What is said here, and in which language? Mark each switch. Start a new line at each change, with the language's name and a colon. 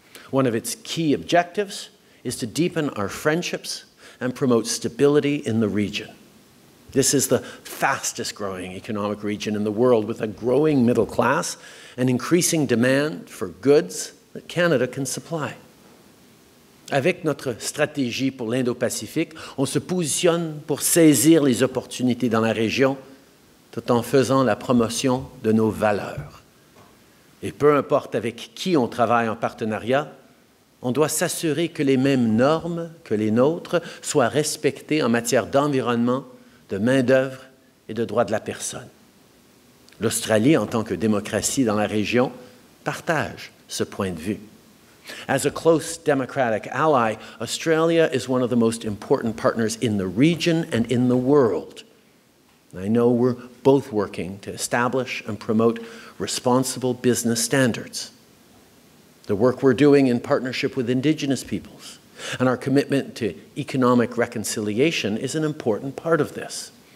English: One of its key objectives is to deepen our friendships and promote stability in the region. This is the fastest growing economic region in the world, with a growing middle class and increasing demand for goods that Canada can supply.
French: Avec notre stratégie pour l'Indo-Pacifique, on se positionne pour saisir les opportunités dans la région tout en faisant la promotion de nos valeurs. Et peu importe avec qui on travaille en partenariat, on doit s'assurer que les mêmes normes que les nôtres soient respectées en matière d'environnement, de main-d'œuvre et de droits de la personne. L'Australie, en tant que démocratie dans la région, partage ce point de vue.
English: As a close democratic ally, Australia is one of the most important partners in the region and in the world. I know we're both working to establish and promote responsible business standards. The work we're doing in partnership with Indigenous peoples and our commitment to economic reconciliation is an important part of this.